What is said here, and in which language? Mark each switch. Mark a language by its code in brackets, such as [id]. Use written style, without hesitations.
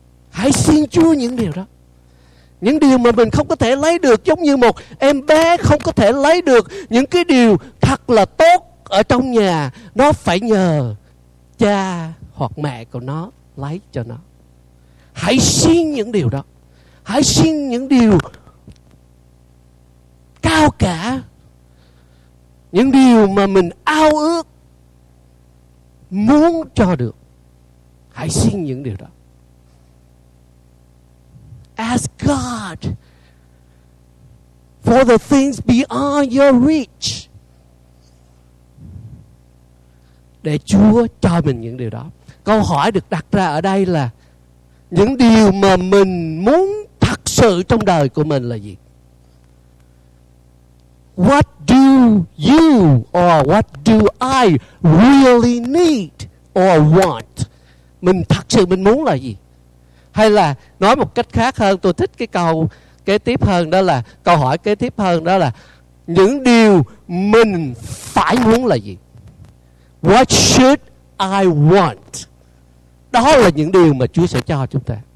[vi] Hãy xin Chúa những điều đó. Những điều mà mình không có thể lấy được, giống như một em bé không có thể lấy được những cái điều thật là tốt ở trong nhà, nó phải nhờ cha hoặc mẹ của nó lấy cho nó. Hãy xin những điều đó. Hãy xin những điều cao cả, những điều mà mình ao ước muốn cho được. Hãy xin những điều đó. [en] Ask God for the things beyond your reach. [vi] Để Chúa cho mình những điều đó. Câu hỏi được đặt ra ở đây là: những điều mà mình muốn thật sự trong đời của mình là gì? [en] What do you or what do I really need or want? [vi] Mình thật sự mình muốn là gì? Hay là nói một cách khác hơn, tôi thích cái câu kế tiếp hơn, đó là câu hỏi kế tiếp hơn, đó là những điều mình phải muốn là gì? [en] What should I want? [vi] Đó là những điều mà Chúa sẽ cho chúng ta.